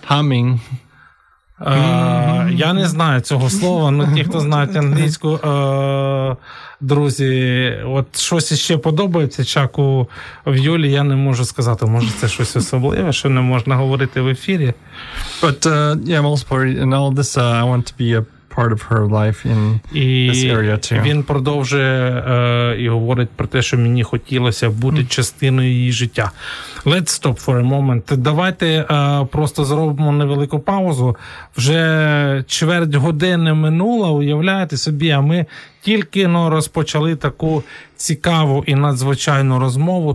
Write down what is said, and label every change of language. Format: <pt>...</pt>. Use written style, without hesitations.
<uk>Humming. Я не знаю цього слова, але ті, хто знають англійську, друзі, от щось ще подобається Чаку в Юлі, я не можу сказати. Може, це щось особливе, що не можна говорити в ефірі.</uk> <en>But, yeah, most part, and all this, I want to be a part of her life in</en> <uk>і</uk> <en>this area too.</en> <uk>Він продовжує і говорить про те, що мені хотілося бути частиною її життя.</uk> <en>Let's stop for a moment. Давайте просто зробимо невелику паузу.</en> <uk>Вже чверть години минула, уявляєте собі, а ми тільки-но розпочали таку цікаву і надзвичайну розмову.</uk>